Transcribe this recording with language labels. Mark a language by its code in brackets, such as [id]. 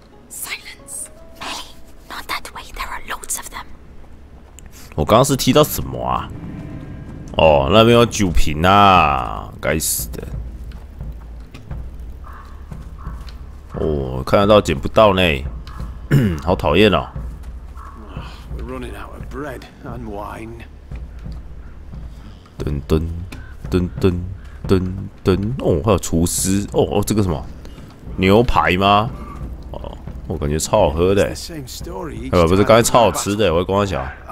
[en] Silence. Hey, not that way. There are loads of them. [zh] 我刚刚是踢到什么啊？哦，那边有酒瓶啊，该死的！哦，看得到捡不到呢，好讨厌哦。 [en] We're running out of bread and wine. [zh] 噔噔噔噔噔噔，哦，还有厨师，哦哦，这个什么牛排吗？哦，我感觉超好喝的。哎，不是，刚才超好吃的，我光想。